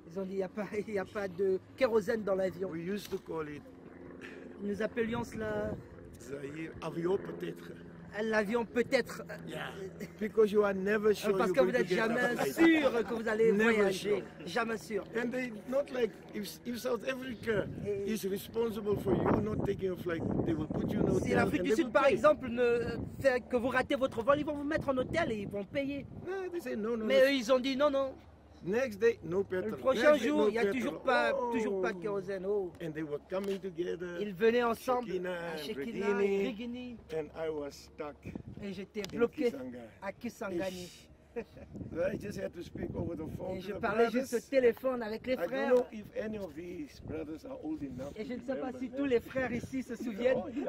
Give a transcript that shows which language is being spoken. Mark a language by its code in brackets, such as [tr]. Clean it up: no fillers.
[fr] Ils ont dit il y a pas de kérosène dans l'avion. [en] We used to call it. [fr] Nous appelions cela. Zaire, avion peut-être. L'avion peut-être. [en] Yeah. Because you are never sure. [fr] Parce que vous n'êtes jamais sûr que vous allez voyager. Jamais sûr. [en] And they not like if South Africa is responsible for you not taking a flight, they will put you in hotel. [fr] Si l'Afrique du Sud par exemple ne fait que vous ratez votre vol, ils vont vous mettre en hôtel et ils vont payer. [en] They say no. [fr] Mais eux, ils ont dit non. [en] Next day, no petrol. [fr] Le prochain [en] next [fr] jour, il [en] no [fr] n'y a toujours pas de kérosène. Oh. [en] And they were coming together. [fr] Ils venaient ensemble. [en] Shekina [fr] et Regini. [en] And I was stuck. [fr] Et j'étais bloqué à Kisangani. [en] So I just had to speak over the phone. [fr] Et je parlais juste au téléphone avec les frères. [en] I don't know if any of these brothers are old enough. [fr] Et je ne sais pas si tous les frères ici se souviennent.